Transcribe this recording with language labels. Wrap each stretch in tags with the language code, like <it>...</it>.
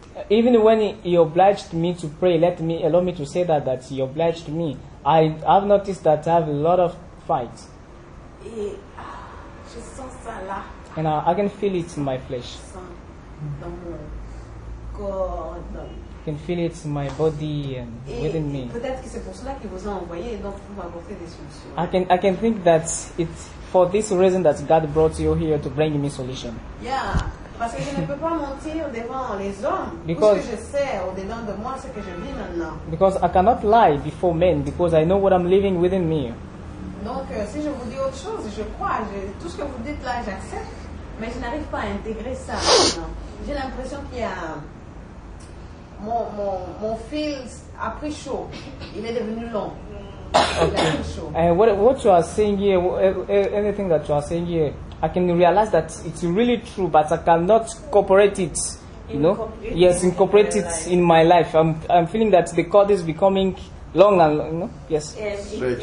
<en>Even when he obliged me to pray, allow me to say that he obliged me. I have noticed that I have a lot of fight.</en> <fr>Et, je sens ça là.</fr> <en>And I can feel it in my flesh. I can feel it in my body and within me.</en> <fr>Peut-être que c'est pour cela qu'il vous a envoyé, donc pour m'apporter des solutions.</fr> <en>I can think that it's for this reason that God brought you here to bring me solution. Yeah.</en> <fr>Parce que je ne peux pas mentir devant les hommes, parce que je sais au-dedans de moi ce que je vis maintenant.</fr> <en>Because I cannot lie before men, because I know what I'm living within me.</en> <fr>Donc, si je vous dis autre chose, je crois, tout ce que vous dites là, j'accepte, mais je n'arrive pas à intégrer ça. J'ai l'impression qu'il y a mon fil a pris chaud, il est devenu long.</fr> <en>Okay. And what you are saying here, anything that you are saying here, I can realize that it's really true, but I cannot cooperate it. You know, incorporate it in my life. I'm feeling that the cord is becoming long and long. You know? Yes, stretch.</en>